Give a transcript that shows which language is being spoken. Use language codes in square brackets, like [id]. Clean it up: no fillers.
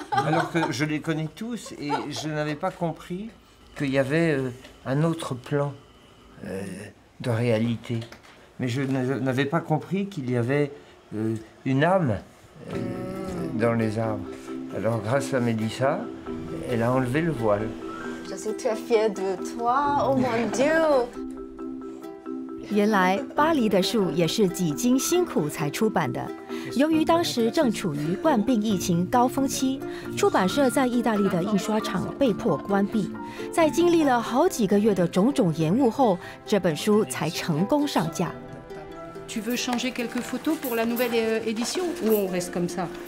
[fr] Alors que je les connais tous et je n'avais pas compris qu'il y avait un autre plan de réalité. Mais je n'avais pas compris qu'il y avait une âme dans les arbres. Alors grâce à Melissa, elle a enlevé le voile. Je suis très fière de toi, oh mon Dieu. [zh] 原来巴黎的树也是几经辛苦才出版的。由于当时正处于冠病疫情高峰期，出版社在意大利的印刷厂被迫关闭，在经历了好几个月的种种延误后，这本书才成功上架。 [fr] Tu veux changer quelques photos pour la nouvelle édition ou on reste comme ça?